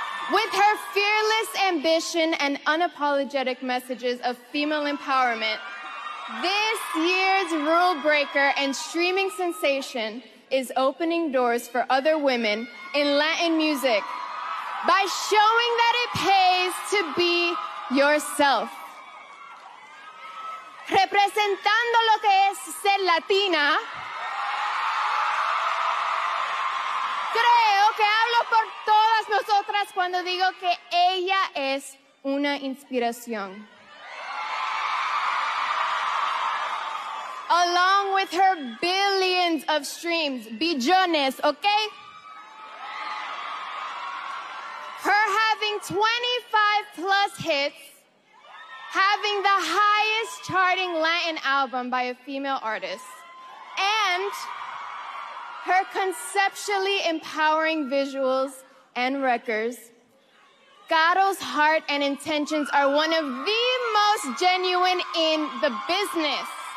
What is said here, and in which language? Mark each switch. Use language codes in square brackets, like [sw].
[en] With her fearless ambition and unapologetic messages of female empowerment, this year's rule breaker and streaming sensation is opening doors for other women in Latin music by showing that it pays to be yourself. [es] Representando lo que es ser latina, creo que hablo por todas nosotras cuando digo que ella es una inspiración. [en] Along with her billions of streams, billones, okay? Her having 25 plus hits, having the highest charting Latin album by a female artist, and her conceptually empowering visuals and records, Karol's heart and intentions are one of the most genuine in the business.